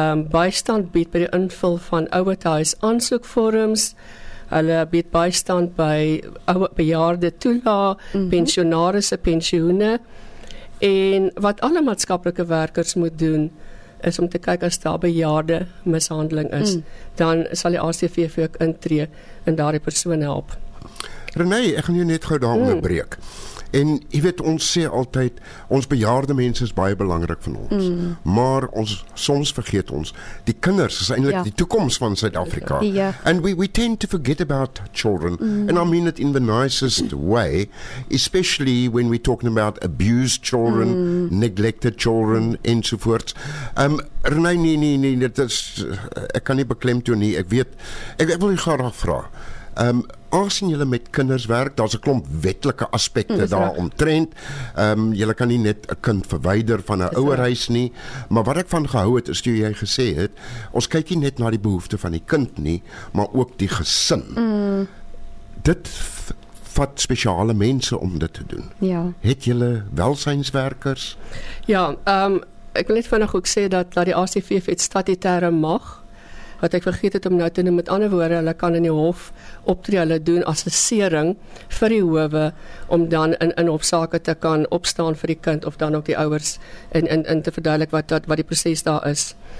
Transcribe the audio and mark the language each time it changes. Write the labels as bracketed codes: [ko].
[af] bystand bied by die invul van ouerhuis aansoekvorms, hulle bied bystand by bejaarde toela, pensionarisse, pensioene, en wat alle maatskaplike werkers moet doen, is om te kyk as daar bejaarde mishandeling is, dan sal die ACVV ook intree en daar die persoon help. René, ek gaan jou net gou daar onderbreek. En jy weet, ons sê altyd, ons bejaarde mense is baie belangrik van ons. Maar ons, soms vergeet ons, die kinders is eintlik die toekoms van Suid-Afrika. [en] And we tend to forget about children. And I mean it in the nicest way, especially when we're talking about abused children, neglected children, ensovoorts. [af] René, dit is, ek kan nie beklemtoon nie, ek weet, ek wil jy graag vraag. Aangesien julle met kinders werk, daar's 'n klomp wettelike aspekte daar omtrent. Julle kan nie net 'n kind verwyder van 'n ouerhuis nie, maar wat ek van gehou het is toe jy gesê het, ons kyk nie net na die behoefte van die kind nie, maar ook die gesin. Dit vat spesiale mense om dit te doen. Ja. Het julle welsynswerkers? Ja, ek wil net vinnig ook sê dat die ACVF het statutêre mag, wat ek vergeet het om nou te noem, met ander woorde, hulle kan in die hof optree, hulle doen assessering vir die howe, om dan in hofsake te kan opstaan vir die kind, of dan ook die ouers, en te verduidelik wat die proses daar is.